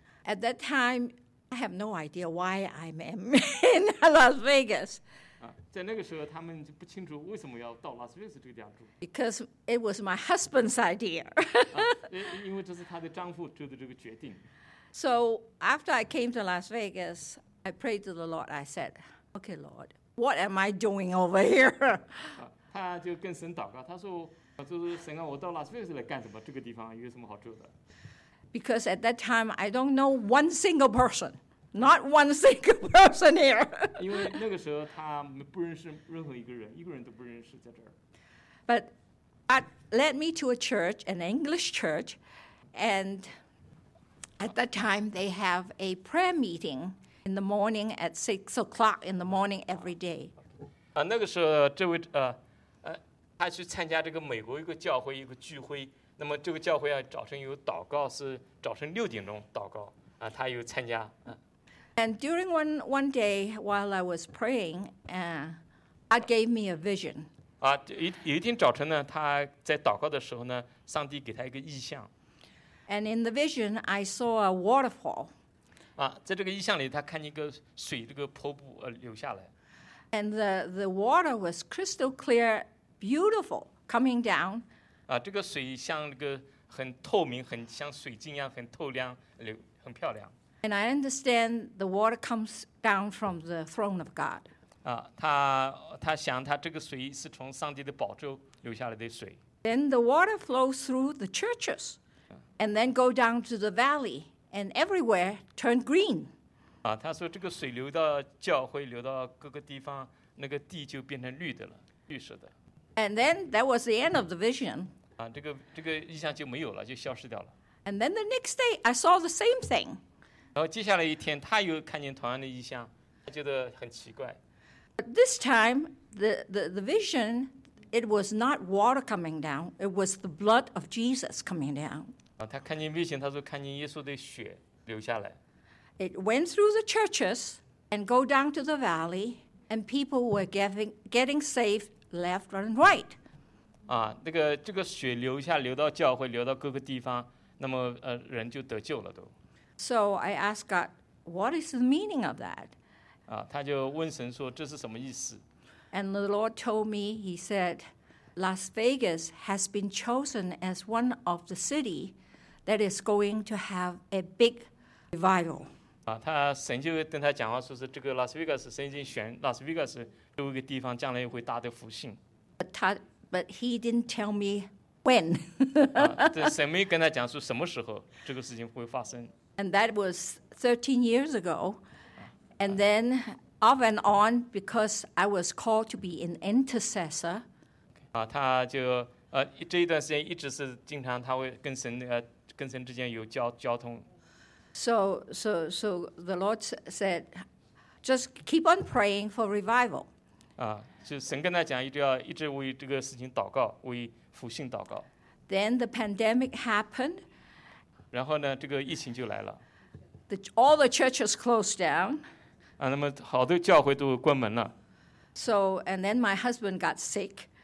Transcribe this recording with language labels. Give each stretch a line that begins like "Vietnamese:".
English: At that time I have no idea why I'm in Las Vegas。
Chinese: 在那个时候，他们就不清楚为什么要到拉斯维加斯这个地方住。
English: Because it was my husband's idea.
Chinese: 因为这是他的丈夫做的这个决定。
English: So after I came to Las Vegas, I prayed to the Lord. I said, "Okay, Lord, what am I doing over here?"
Chinese: 他就跟神祷告，他说，就是神啊，我到拉斯维加斯来干什么？这个地方有什么好住的
English: ？Because at that time, I don't know one single person. Not one single person here.
Chinese: 因为那个时候他不认识任何一个人，一个人都不认识在这儿。
English: But God led me to a church, an English church, and at that time they have a prayer meeting in the morning at 6 o'clock in the morning every day.
Chinese: 那个时候这位他去参加这个美国一个教会一个聚会，那么这个教会啊早晨有祷告，是早晨6点钟祷告啊，他有参加啊。
English: And during one day while I was praying, God gave me a vision.
Chinese: 有一天早晨呢，他在祷告的时候呢，上帝给他一个异象。
English: And in the vision, I saw a waterfall.
Chinese: 在这个异象里，他看见一个水这个瀑布流下来。
English: And the water was crystal clear, beautiful, coming down.
Chinese: 这个水像那个很透明，很像水晶一样，很透亮，很漂亮。
English: And I understand the water comes down from the throne of God.
Chinese: 他想他这个水是从上帝的宝座流下来的水。
English: Then the water flows through the churches, and then go down to the valley, and everywhere turn green.
Chinese: 他说这个水流到教会，流到各个地方，那个地就变成绿的了，绿色的。
English: And then that was the end of the vision.
Chinese: 这个意象就没有了，就消失掉了。
English: And then the next day, I saw the same thing.
Chinese: 然后接下来一天，他又看见同样的异象，他觉得很奇怪。
English: This time, the vision, it was not water coming down, it was the blood of Jesus coming down.
Chinese: 他看见 vision， 他说看见耶稣的血流下来。
English: It went through the churches and go down to the valley, and people were getting saved left and right.
Chinese: 这个血流下，流到教会，流到各个地方，那么人就得救了都。
English: So I asked God, what is the meaning of that?
Chinese: 他就问神说，这是什么意思？
English: And the Lord told me, he said, Las Vegas has been chosen as one of the city that is going to have a big revival.
Chinese: 神就跟他讲话说，这个 Las Vegas, 神已经选 Las Vegas, 这个地方将来会大的复兴。
English: But he didn't tell me when.
Chinese: 神没跟他讲说什么时候这个事情会发生。
English: And that was 13 years ago. And then off and on, because I was called to be an intercessor.
Chinese: 他就这一段时间一直是经常他会跟神之间有交通。
English: So the Lord said, just keep on praying for revival.
Chinese: 就神跟他讲一直要一直为这个事情祷告，为复兴祷告。
English: Then the pandemic happened.
Chinese: 然后呢，这个疫情就来了。
English: All the churches closed down.
Chinese: 那么好多教会都关门了。
English: So and then my husband got sick.